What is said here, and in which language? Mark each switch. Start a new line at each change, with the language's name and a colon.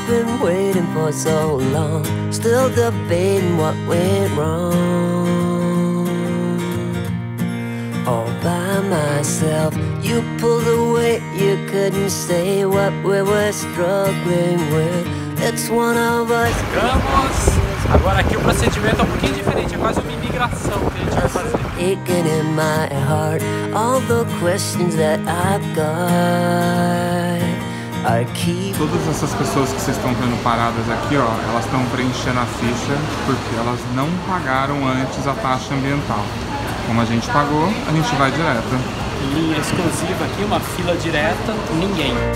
English: I've been waiting for so long, still debating what went wrong. All by myself, you pulled away, you couldn't say what we were struggling with. It's one of us. Vamos!
Portuguese: Agora aqui o procedimento é um pouquinho diferente, é quase uma imigração que a gente vai fazer.
English: Aching in my heart, all the questions that I've got, I keep.
Portuguese: Todas essas pessoas que vocês estão vendo paradas aqui, ó, elas estão preenchendo a ficha porque elas não pagaram antes a taxa ambiental. Como a gente pagou, a gente vai direto. Linha exclusiva aqui, uma fila direta, ninguém.